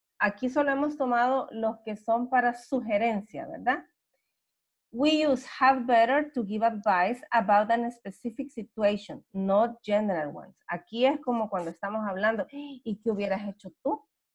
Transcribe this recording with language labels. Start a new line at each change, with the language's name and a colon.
Spanish: Aquí solo hemos tomado los que son para sugerencia, ¿verdad?
English: We use have better to give advice about a specific situation, not general ones.
Spanish: Aquí es como cuando estamos hablando, ¿y qué hubieras hecho tú?